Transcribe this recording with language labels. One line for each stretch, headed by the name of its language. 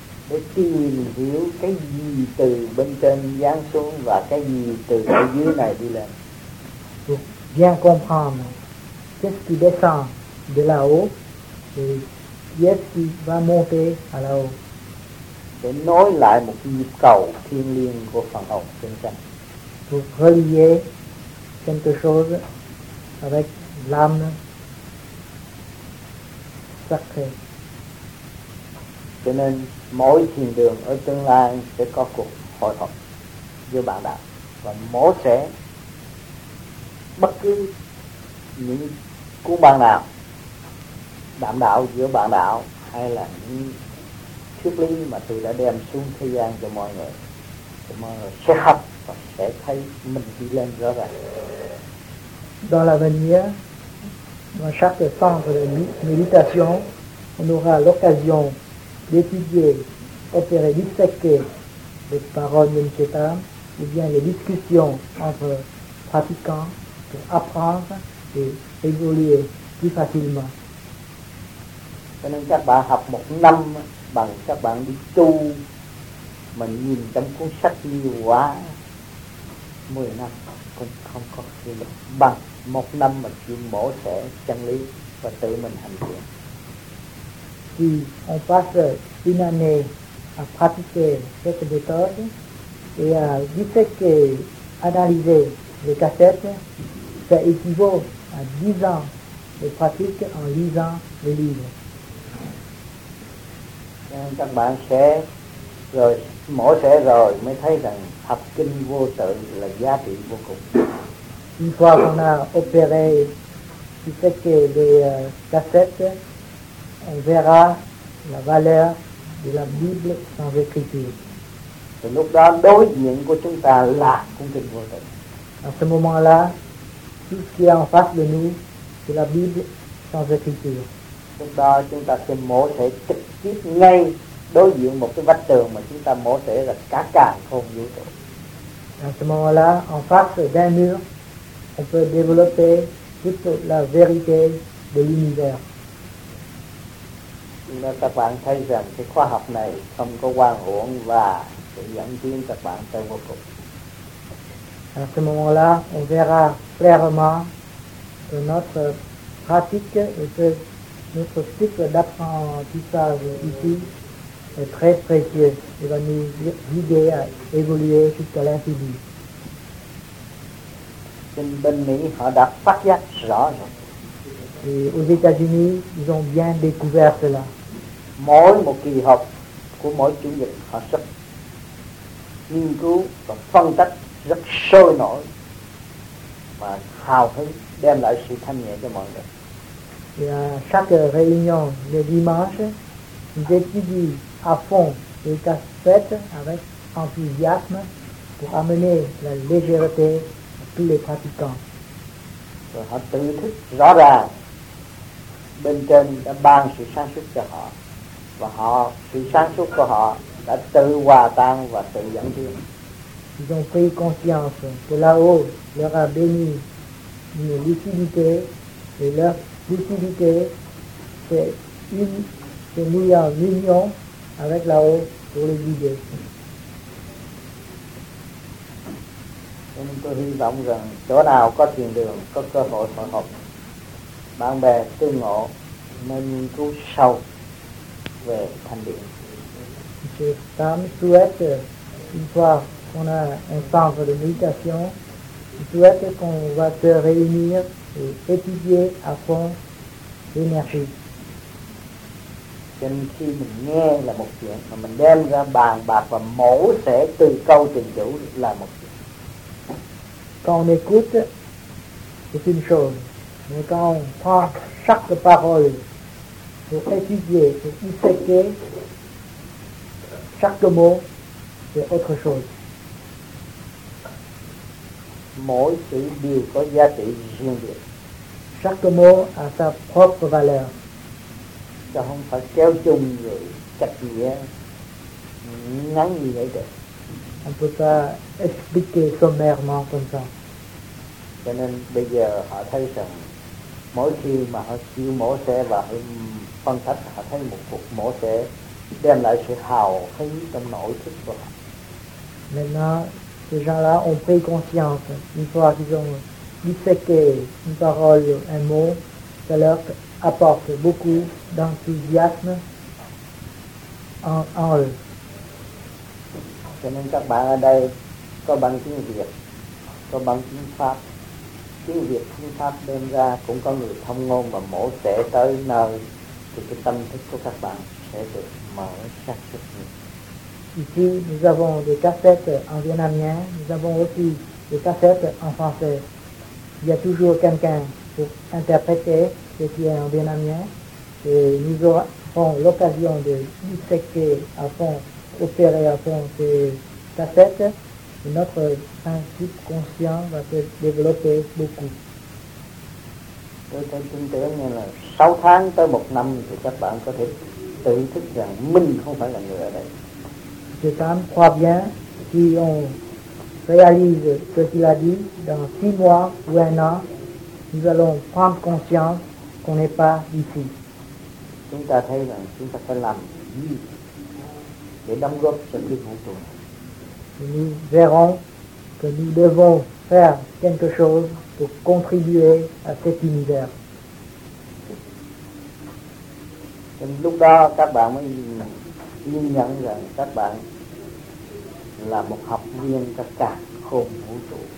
Vietnamese: Để tìm hiểu cái gì từ bên trên giáng xuống và cái gì từ bên dưới này đi lên.
French: Pour bien comprendre qu'est-ce qui descend de là-haut et qu'est-ce qui va monter à là-haut.
Vietnamese: Để nối lại một nhịp cầu thiêng liêng của phần hồn chân chánh.
French: Pour relier quelque chose avec l'âme sacrée.
Vietnamese: Cho nên mỗi thiền đường ở tương lai sẽ có cuộc hội họp giữa bạn đạo và mổ xẻ bất cứ những cuốn băng nào đảm đạo giữa bạn đạo hay là những thuyết lý mà tôi đã đem xuống thế gian cho mọi người, cho mọi người sẽ học và sẽ thấy mình đi lên rõ ràng.
French: Dans l'avenir, dans chaque centre de méditation, on aura l'occasion d'étudier, opérer, dissecter les paroles de Nichetam ou bien les discussions entre pratiquants pour apprendre et évoluer plus facilement.
Vietnamese: Cho nên các bạn học một năm bằng các bạn đi tu mà nhìn trong cuốn sách nhiều quá, 10 năm cũng không có gì được bằng một năm mà chịu mổ xẻ chân lý và tự mình hành thiện.
French: Si on passe une année à pratiquer cette méthode et à disséquer, analyser les cassettes, ça équivaut à 10 ans de pratique en lisant les livres.
Vietnamese: Các bạn sẽ rồi mổ xẻ rồi mới thấy rằng học kinh vô tự là giá trị vô cùng.
French: Une fois qu'on a opéré, disséqué les cassettes, on verra la valeur de la Bible sans écriture.
Vietnamese: Thì lúc đó đối diện của chúng ta là cuốn kinh vô tự.
French: À ce moment-là, tout ce qui est en face de nous, c'est la Bible sans écriture.
Vietnamese: Lúc đó chúng ta sẽ mổ xẻ trực tiếp ngay đối diện một cái vách tường mà chúng ta mổ xẻ là cả càn khôn vũ trụ.
French: À ce moment-là, en face d'un mur, on peut développer toute la vérité de l'univers.
Vietnamese: Là các bạn thấy rằng cái khoa học này không có quan uổng và sẽ dẫn tiến các bạn tới vô cùng.
French: À ce moment-là, on verra clairement que notre pratique et que notre cycle d'apprentissage ici est très précieux et va nous guider à évoluer jusqu'à l'infini.
Vietnamese: Bên Mỹ họ đã phát giác rõ rồi.
French: Et aux États-Unis, ils ont bien découvert cela.
Vietnamese: Mỗi một kỳ họp của mỗi chủ nhật họ sẽ nghiên cứu và phân tích rất sôi nổi và hào hứng đem lại sự thanh nhẹ cho mọi người.
French: Et à chaque réunion le dimanche, ils étudient à fond les cas faits avec enthousiasme pour amener la légèreté à tous les pratiquants.
Vietnamese: Rồi họ tự thức rõ ràng bên trên đã ban sự sáng suốt cho họ và họ sự sáng suốt của họ đã tự hòa tan và tự dẫn tiến.
French: Ils ont pris conscience que là-haut leur a béni une lucidité et leur lucidité s'est mis en union avec là-haut pour les guider.
Vietnamese: Nên tôi hy vọng rằng chỗ nào có thiền đường, có cơ hội hội họp, bạn bè tương ngộ, nên nghiên cứu sâu về thanh điện.
French: Je souhaite une fois qu'on a un centre de méditation, je souhaite qu'on va se réunir et étudier à fond l'énergie.
Vietnamese: Cho nên khi mình nghe là một chuyện, mà mình đem ra bàn bạc và mổ xẻ từ câu tình chủ là một chuyện.
French: Quand on écoute, c'est une chose. Mais quand on prend chaque parole pour étudier, pour disséquer chaque mot, c'est autre chose.
Vietnamese: Mỗi chữ đều có giá trị riêng biệt.
French: Chaque mot a sa propre valeur.
Vietnamese: Chứ không phải kéo chung rồi chặt nghĩa ngắn như vậy được.
French: On peut pas expliquer sommairement comme ça.
Vietnamese: Cho nên bây giờ họ thấy rằng mỗi khi mà họ chịu mổ xẻ và phân tích, họ thấy một cuộc mổ xẻ đem lại sự hào hứng trong nội thức của họ.
French: Maintenant, ces gens-là ont pris conscience. Une fois qu'ils ont disséqué une parole, un mot, ça leur apporte beaucoup d'enthousiasme en eux.
Vietnamese: Cho nên các bạn ở đây có bằng tiếng Việt, có bằng tiếng Pháp. Tiếng Việt, tiếng Pháp đem ra cũng có người thông ngôn và mổ xẻ tới nơi thì cái tâm thức của các bạn sẽ được mở sắc rất nhiều.
French: Ici, nous avons des cassettes en vietnamien, nous avons aussi des cassettes en français. Il y a toujours quelqu'un pour interpréter ce qui est en vietnamien et nous aurons l'occasion de disséquer à fond, opérer à fond ces cassettes et notre principe conscient va se développer beaucoup.
Vietnamese: Tôi tin tưởng như là 6 tháng tới 1 năm thì các bạn có thể tự thức rằng mình không phải là người ở đây.
French: Je crois bien si on réalise ce qu'il a dit dans 6 mois ou un an, nous allons prendre conscience qu'on n'est pas ici.
Vietnamese: Chúng ta thấy rằng chúng ta phải làm gì để đóng góp cho cái vũ trụ.
French: Nous verrons que nous devons faire quelque chose pour contribuer à cet univers.
Vietnamese: Lúc đó các bạn mới nhìn nhận rằng các bạn là một học viên các cả khôn vũ trụ.